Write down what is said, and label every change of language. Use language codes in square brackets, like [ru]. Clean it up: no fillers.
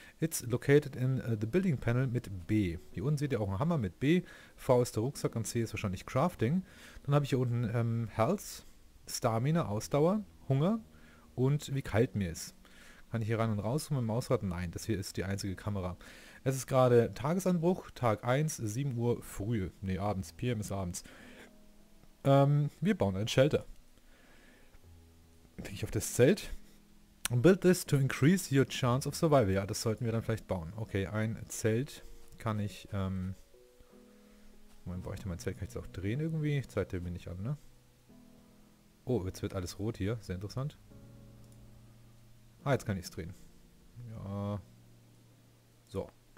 [en] It's located in the Building Panel [de] mit B. Hier unten seht ihr auch einen Hammer mit B. V ist der Rucksack und C ist wahrscheinlich Crafting. Dann habe ich hier unten Health, Stamina, Ausdauer, Hunger und wie kalt mir ist. Kann ich hier rein und raus mit dem Mausrad? Nein, das hier ist die einzige Kamera. Es ist gerade Tagesanbruch, Tag 1, 7 Uhr früh. Nee, abends, PM ist abends. Wir bauen ein Shelter. Denke ich auf das Zelt. [en] Build this to increase your chance of survival. [de] Ja, das sollten wir dann vielleicht bauen. Okay, ein Zelt kann ich, Moment, brauche ich denn mein Zelt? Kann ich das auch drehen irgendwie? Ich zeige mir nicht an, ne? Oh, jetzt wird alles rot hier. Sehr interessant. Ah, jetzt kann ich es drehen. Ja. So.